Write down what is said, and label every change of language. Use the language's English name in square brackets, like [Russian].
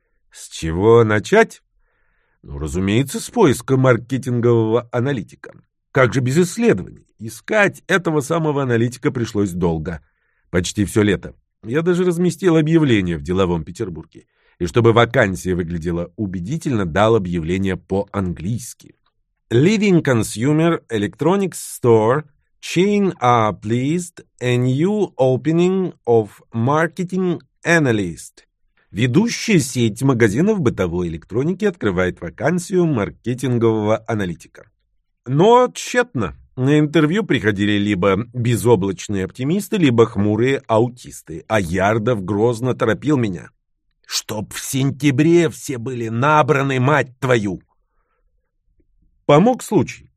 [Russian] С чего начать? Ну, разумеется, с поиска маркетингового аналитика. Как же без исследований? Искать этого самого аналитика пришлось долго. Почти все лето. Я даже разместил объявление в деловом Петербурге. И чтобы вакансия выглядела убедительно, дал объявление по-английски. [English] Leading Consumer Electronics Store Chain are pleased a new opening of Marketing Analyst. [Russian] Ведущая сеть магазинов бытовой электроники открывает вакансию маркетингового аналитика. Но тщетно. На интервью приходили либо безоблачные оптимисты, либо хмурые аутисты. А Ярдов грозно торопил меня. «Чтоб в сентябре все были набраны, мать твою!» Помог случай.